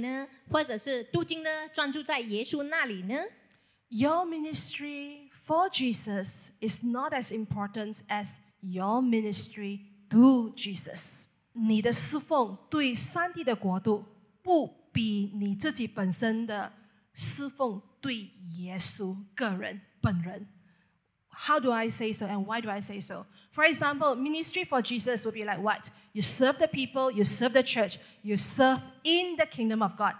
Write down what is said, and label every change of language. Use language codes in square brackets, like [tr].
[zh] 就是在于你跟耶稣之间的关系，就是你有没有把你的这个晨祷呢，或者是赞美呢，或者是读经呢，专注在耶稣那里呢？ [en] Your ministry for Jesus is not as important as your ministry to Jesus. [zh] 你的侍奉对上帝的国度不比你自己本身的侍奉对耶稣个人本人。 [en] How do I say so and why do I say so? For example, ministry for Jesus would be like what? You serve the people, you serve the church, you serve in the kingdom of God.